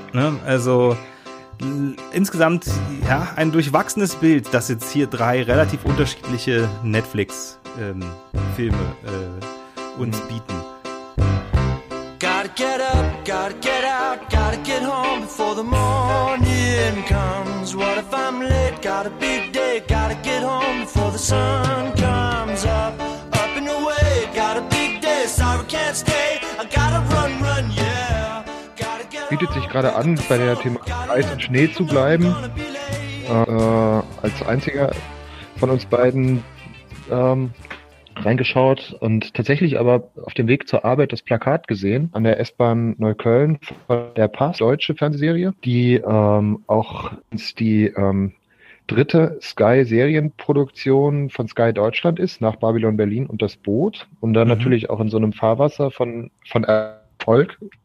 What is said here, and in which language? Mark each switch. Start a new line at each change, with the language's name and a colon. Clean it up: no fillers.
German: Ne, also insgesamt, ja, ein durchwachsenes Bild, dass jetzt hier drei relativ unterschiedliche Netflix-Filme uns bieten.
English: Gotta get up, gotta get out, gotta get home before the morning comes. What if I'm late, got a big day, gotta get home before the sun comes up. Up and away, got a big day, sorry can't stay, I gotta run, run, yeah.
German: Bietet sich gerade an, bei der Thema Eis und Schnee zu bleiben. Als einziger von uns beiden reingeschaut und tatsächlich aber auf dem Weg zur Arbeit das Plakat gesehen an der S-Bahn Neukölln von der Pass, deutsche Fernsehserie, die auch die dritte Sky-Serienproduktion von Sky Deutschland ist, nach Babylon Berlin und das Boot und dann natürlich auch in so einem Fahrwasser von Erfolg.